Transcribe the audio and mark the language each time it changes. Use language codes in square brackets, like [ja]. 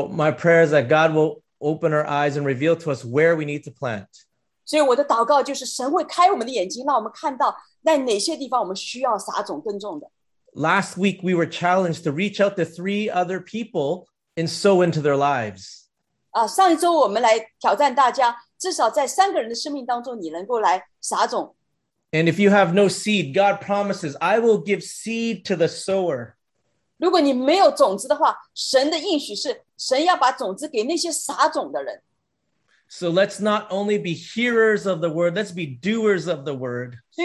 [en] my prayer is that God will open our eyes and reveal to us where we need to plant. [zh] 所以我的祷告就是神会开我们的眼睛，让我们看到在哪些地方我们需要撒种耕种的。 [en] Last week we were challenged to reach out to three other people and sow into their lives. [zh] 上一周我们来挑战大家，至少在三个人的生命当中，你能够来撒种。 [en] And if you have no seed, God promises, I will give seed to the sower. [zh] 如果你没有种子的话，神的应许是神要把种子给那些撒种的人。 [en] So let's not only be hearers of the word, let's be doers of the word.